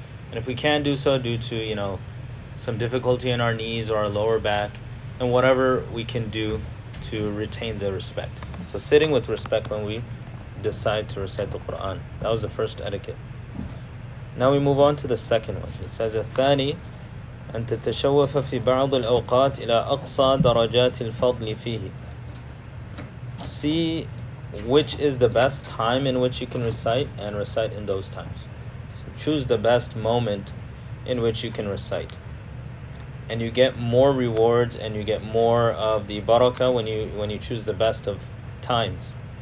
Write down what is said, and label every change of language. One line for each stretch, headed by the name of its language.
English: And if we can't do so due to, you know, some difficulty in our knees or our lower back, and whatever we can do to retain the respect. So sitting with respect when we decide to recite the Qur'an. That was the first etiquette. Now we move on to the second one. It says,
Arabic: الثاني أن تتشوف في بعض الأوقات إلى أقصى درجات الفضل فيه.
English: See which is the best time in which you can recite, and recite in those times. So choose the best moment in which you can recite. And you get more rewards and you get more of the barakah when you choose the best of times.